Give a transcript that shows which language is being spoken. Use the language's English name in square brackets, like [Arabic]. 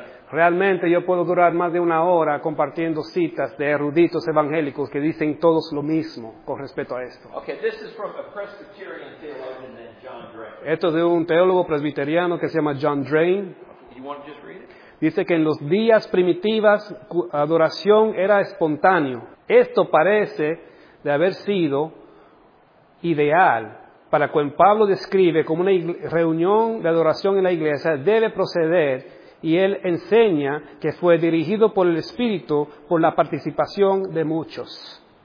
[Spanish] Realmente yo puedo durar más de una hora compartiendo citas de eruditos evangélicos que dicen todos lo mismo con respecto a esto. [English] Okay, this is from a Presbyterian theologian named John Drain. [Spanish] Esto es de un teólogo presbiteriano que se llama John Drain. [English] You want to just read it? [Spanish] Dice que en los días primitivas adoración era espontáneo. Esto parece de haber sido ideal. Para cual Pablo describe como una reunión de adoración en la iglesia debe proceder, y él enseña que fue dirigido por el Espíritu por la participación de muchos.